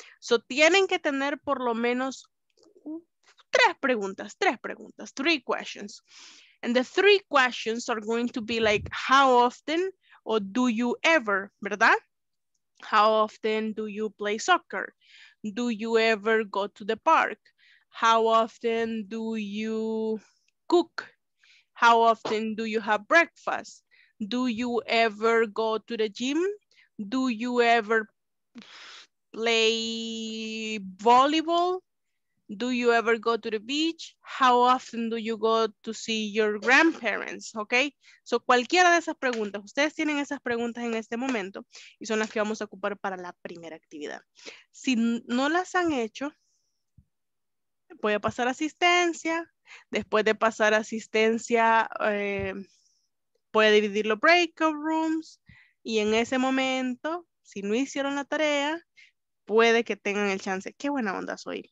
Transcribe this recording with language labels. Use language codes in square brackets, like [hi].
[es] So tienen que tener por lo menos tres preguntas, [en] three questions. And the three questions are going to be like, how often or do you ever, [es] ¿verdad? [en] How often do you play soccer? Do you ever go to the park? How often do you cook? How often do you have breakfast? Do you ever go to the gym? Do you ever play volleyball? Do you ever go to the beach? How often do you go to see your grandparents? [es] Okay, so cualquiera de esas preguntas, ustedes tienen esas preguntas en este momento y son las que vamos a ocupar para la primera actividad. Si no las han hecho, voy a pasar asistencia. Después de pasar asistencia, puede dividir los breakout rooms y en ese momento, si no hicieron la tarea, puede que tengan el chance. Qué buena onda soy.